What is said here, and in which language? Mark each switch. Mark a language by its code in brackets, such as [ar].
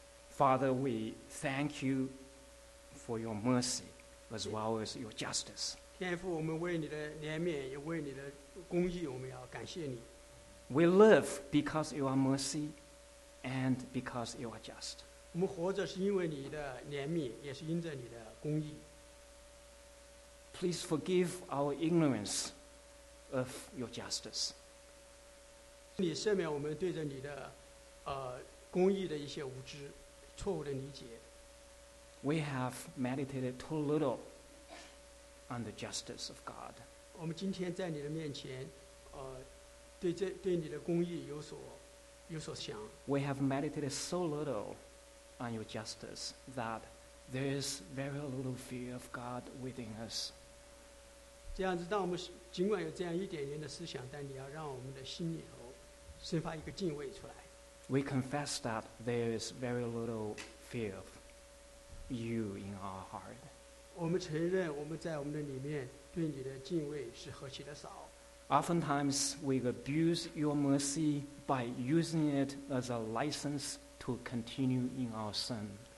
[en] Father, we thank you for your mercy as well as your justice. [zh] 天父, 我们为你的怜悯, 也为你的公义, 我们要感谢你。 [en] We live because you are mercy and because you are just. [zh] 我们活着是因为你的怜悯, 也是因着你的公义。 [en] Please forgive our ignorance of your justice. [zh] 你赦免我们对着你的, 公义的一些无知, 错误的理解。 [en] We have meditated too little on the justice of God. [zh] 我们今天在你的面前, 对你的公义有所想。 [en] We have meditated so little on your justice that there is very little fear of God within us. [zh] 这样子当我们尽管有这样一点点的思想, 但你要让我们的心里头生发一个敬畏出来。 [en] We confess that there is very little fear of you in our heart. [zh] 我们承认我们在我们的里面对你的敬畏是何其的少。 [en] Oftentimes, we abuse your mercy by using it as a license to continue in our sin.